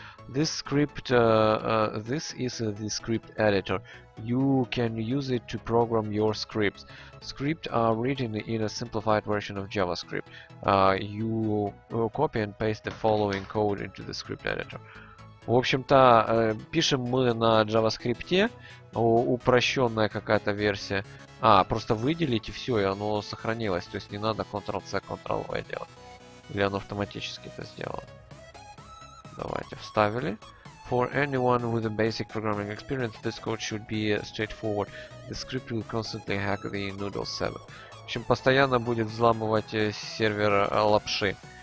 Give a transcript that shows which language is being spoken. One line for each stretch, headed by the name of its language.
English: This script, this is the script editor. You can use it to program your scripts. Scripts are written in a simplified version of JavaScript. You copy and paste the following code into the script editor.
Russian: В общем-то, пишем мы на JavaScript, упрощенная какая-то версия. А, просто выделите все, и оно сохранилось. То есть не надо Ctrl-C, Ctrl-V делать. Или оно автоматически это сделало. Давайте, вставили.
English: For anyone with a basic programming experience, this code should be straightforward. The script will constantly hack the Noodle 7.
Russian: В общем, постоянно будет взламывать сервер лапши.